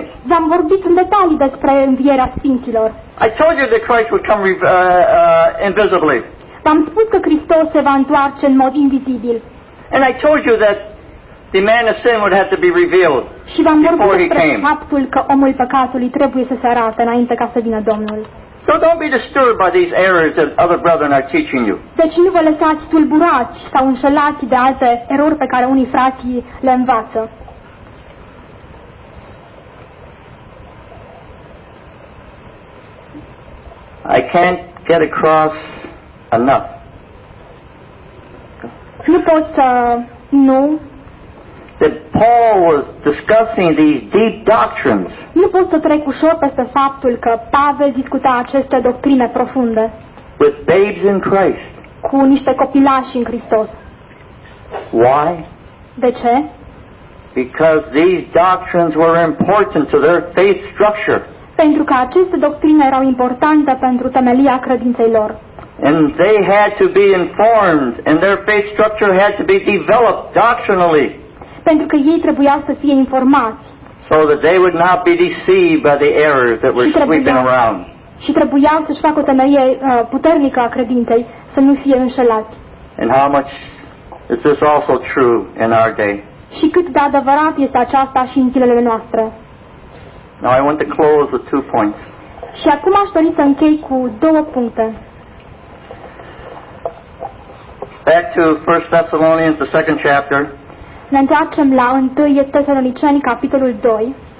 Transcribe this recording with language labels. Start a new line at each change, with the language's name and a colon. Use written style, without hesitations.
Romanian: V-am vorbit în detalii despre învierea sfinților.
English: I told you that Christ would come invisibly.
Romanian: V-am spus că Hristos se va întoarce în mod invizibil.
English: And I told you that the man of sin would have to be revealed before he came.
Romanian: Și v-am vorbit despre faptul că omul păcatului trebuie să se arate înainte ca să vină Domnul.
English: So don't be disturbed by these errors that other brethren are teaching you.
Romanian: Deci nu vă lăsați tulburați sau înșelați de alte erori pe care unii frații le învață.
English: I can't get across enough.
Romanian: Nu pot să nu.
English: That Paul was discussing these deep doctrines.
Romanian: Nu pot să trec ușor peste faptul că Pavel discuta aceste doctrine profunde.
English: With babes in Christ.
Romanian: Cu niște copilași în Hristos.
English: Why?
Romanian: De ce?
English: Because these doctrines were important to their faith structure.
Romanian: Pentru că aceste doctrine erau importante pentru temelia credinței lor.
English: And they had to be informed and their faith structure had to be developed doctrinally.
Romanian: Pentru că ei trebuiau să fie informați.
English: So that they would not be deceived by the errors that were sweeping around.
Romanian: Și trebuiau să-și facă o temelie puternică a credinței, să nu fie înșelați.
English: And how much is this also true in our day?
Romanian: Și cât de adevărat este aceasta și în zilele noastre.
English: Now I want to close with two points.
Romanian: Și acum aș dori să închei cu două puncte.
English: Back to 1 Thessalonians, the second chapter.
Romanian: Ne întoarcem la 1 Tesaloniceni, capitolul 2.